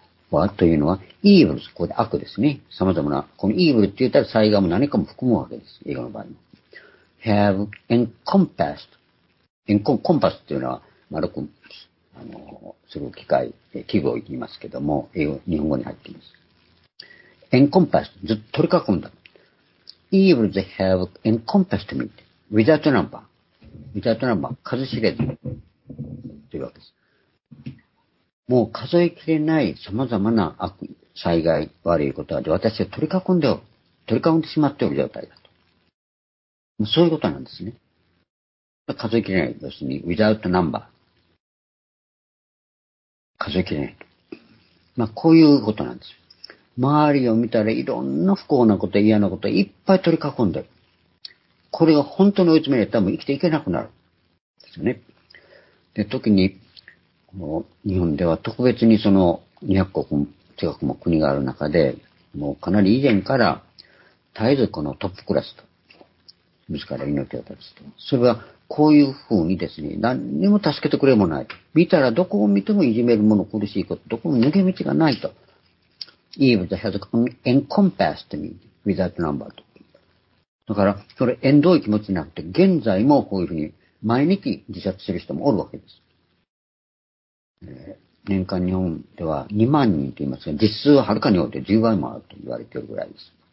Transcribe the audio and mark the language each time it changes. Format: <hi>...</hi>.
<ja>はというのは、evil、ここで悪ですね。様々な、この evil って言ったら災害も何かも含むわけです。英語の場合も。</ja> <en>have encompassed。</en> <ja>encompass っていうのは丸く、する機械、器具を言いますけども、英語、日本語に入っています。 encompassed, ずっと取り囲んだ。</ja> <en>evil they have encompassed me, without number. without number,</en> <ja>数知れず。というわけです。もう数えきれない様々な悪、災害、悪いことは、私を取り囲んでおる。取り囲んでしまっておる状態だと。もうそういうことなんですね。数えきれない。要するに、</ja> <en>without number。</en> <ja>数えきれない。まあ、こういうことなんですよ。周りを見たらいろんな不幸なこと、嫌なこと、いっぱい取り囲んでる。これが本当に追い詰められたらもう生きていけなくなる。ですよね。で、特に、日本では特別にその200国、近くも国がある中で、もうかなり以前から絶えずこのトップクラスと、自ら命を絶つと。それはこういうふうにですね、何にも助けてくれもない。見たらどこを見てもいじめるもの、苦しいこと、どこも抜け道がないと。</ja> <en>Eve that has encompassed me without number と。</en> <ja>だから、それ縁遠い気持ちになって、現在もこういうふうに毎日自殺する人もおるわけです。年間日本では2万人と言いますが、実数ははるかに多いで10倍もあると言われているぐらいです。</ja>